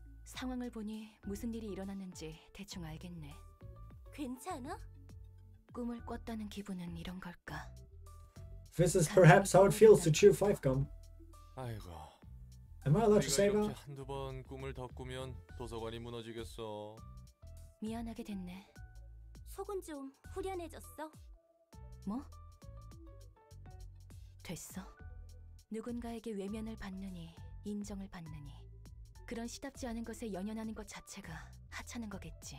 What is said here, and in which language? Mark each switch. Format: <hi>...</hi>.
<ko>상황을 보니 무슨 일이 일어났는지 대충 알겠네. 괜찮아? 꿈을 꿨다는 기분은 이런 걸까?</ko> <en>This is perhaps how it feels to chew 5 gum.</en> <ko>아이고.</ko> <en>Am I allowed to say that?</en> <ko>내가 한두 번 꿈을 더 꾸면 도서관이 무너지겠어. 미안하게 됐네. 속은 좀 후련해졌어? 뭐? 됐어? 누군가에게 외면을 받느니 인정을 받느니 그런 시답지 않은 것에 연연하는 것 자체가 하찮은 거겠지.</ko>